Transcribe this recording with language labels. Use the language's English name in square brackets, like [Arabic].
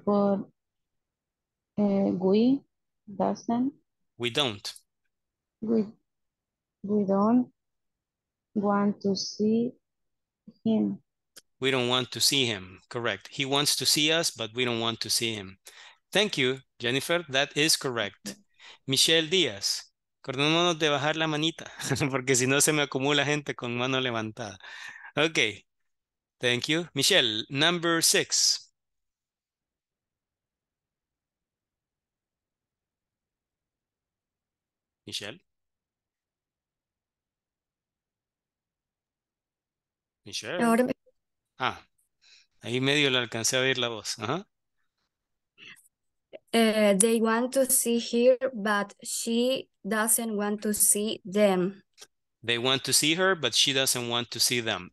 [English] But we doesn't. We don't. We don't want to see him. We don't want to see him. Correct. He wants to see us, but we don't want to see him. Thank you, Jennifer. That is correct. Michelle Díaz. [Spanish] Acordémonos de bajar la manita, porque si no se me acumula gente con mano levantada. [English] Okay. Thank you. Michelle, number six. Michelle. [Spanish] Ah, ahí medio le alcancé a oír la voz. Ajá. [English] They want to see her, but she doesn't want to see them. They want to see her, but she doesn't want to see them.